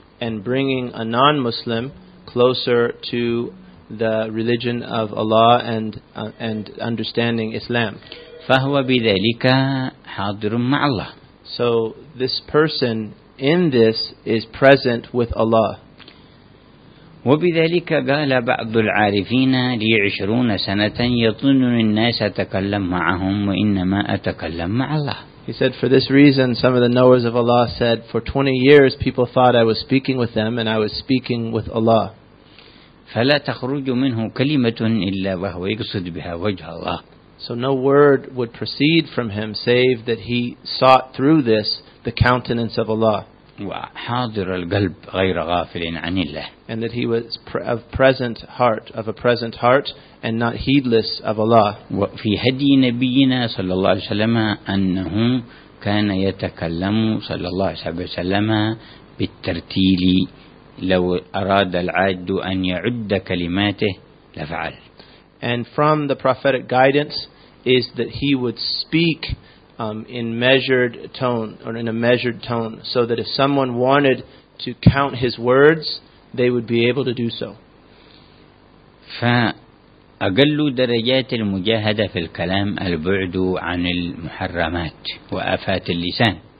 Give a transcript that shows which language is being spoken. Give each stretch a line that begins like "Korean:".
English: And bringing a non-Muslim closer to the religion of Allah and understanding Islam.
Arabic: فهو بذلك حاضر مع الله.
English: So this person in this is present with Allah.
Arabic: وبذلك قال بعض العارفين لي 20 سنة يظن الناس أتكلم معهم وإنما أتكلم مع الله.
English: He said, for this reason, some of the knowers of Allah said, for 20 years people thought I was speaking with them and I was speaking with Allah.
Arabic: فلا تخرج منه كلمة إلا وهو يقصد بها وجه الله.
English: So no word would proceed from him save that he sought through this the countenance of Allah.
Arabic: وحاضر القلب غير غافل عن الله.
English: And that he was of a present heart and not heedless of Allah.
Arabic: وفي هدي نبينا صلى الله عليه وسلم أنه كان يتكلم صلى الله عليه وسلم بالترتيل لو أراد العاد أن يعد كلماته لفعل.
English: And from the prophetic guidance is that he would speak in measured tone or in a measured tone, so that if someone wanted to count his words, they would be able to do so.
Arabic: فأقل درجات المجاهدة في الكلام البعد عن المحرمات وآفات اللسان.